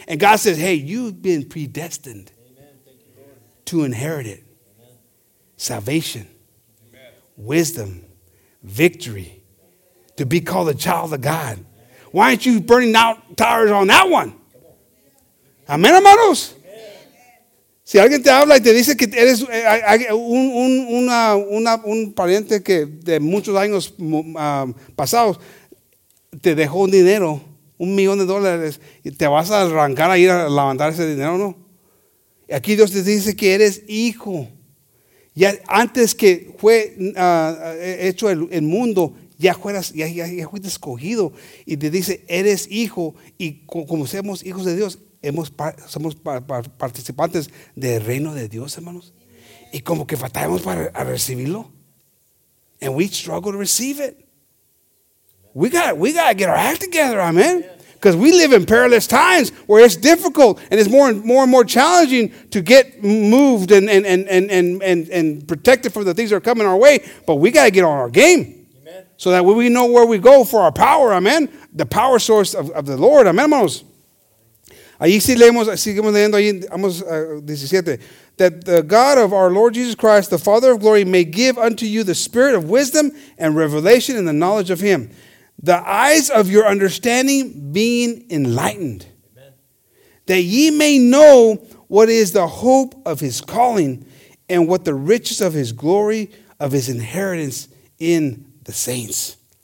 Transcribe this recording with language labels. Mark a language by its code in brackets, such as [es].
[en] And God says, hey, you've been predestined. Amen. Thank you, Lord. To inherit it. Salvation, amen. Wisdom, victory, to be called a child of God. Why aren't you burning out tires on that one? Amen, hermanos. [es] Si alguien te habla y te dice que eres un pariente que de muchos años pasados te dejó un dinero, $1,000,000, y te vas a arrancar a ir a levantar ese dinero, ¿no? Y aquí Dios te dice que eres hijo. Ya antes que fue hecho el mundo, ya fuiste escogido. Y te dice, eres hijo. Y como somos hijos de Dios, somos participantes del reino de Dios, hermanos. Y como que batallamos para recibirlo. And we struggle to receive it. [en] We got to get our act together, amen. Because we live in perilous times where it's difficult and it's more and more challenging to get moved and protected from the things that are coming our way. But we got to get on our game. Amen. So that we know where we go for our power, amen. The power source of the Lord, amen, hermanos. [es] Ahí sí leemos, seguimos leyendo ahí, vamos a 17. [en] That the God of our Lord Jesus Christ, the Father of glory, may give unto you the spirit of wisdom and revelation in the knowledge of him. The eyes of your understanding being enlightened. Amen. That ye may know what is the hope of his calling and what the riches of his glory of his inheritance in the saints.